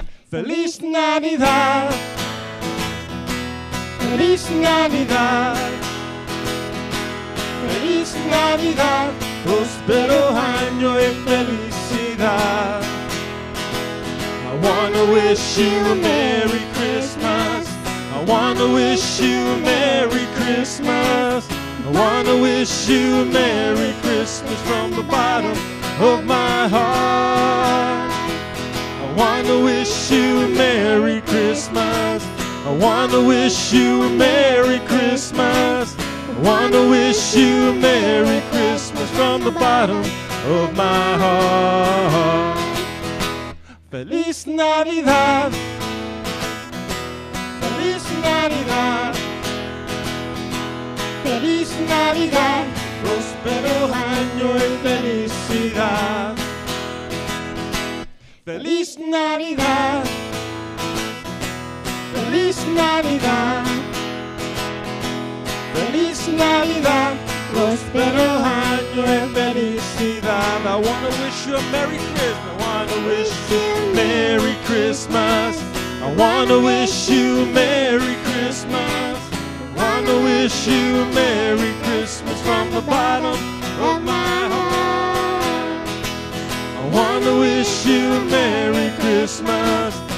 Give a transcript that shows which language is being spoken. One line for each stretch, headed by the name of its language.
Spanish: Feliz Navidad. Feliz Navidad. Feliz Navidad. Prospero año y felicidad.
English: I want to wish you a Merry Christmas. I want to wish you a Merry Christmas. I want to wish you a Merry Christmas from the bottom of my heart. I want to wish you a Merry Christmas. I want to wish you a Merry Christmas. I want to wish you a Merry Christmas from the bottom of my heart.
Spanish: Feliz Navidad. Feliz Navidad. Feliz Navidad. Prospero año y felicidad. Feliz Navidad. Feliz Navidad. Feliz Navidad. Prospero año y felicidad.
English: I want to wish you a Merry Christmas. I want to wish you a Merry Christmas. I want to wish you a Merry Christmas. I want to wish you a Merry Christmas from the bottom of my heart. I want to wish you a Merry Christmas.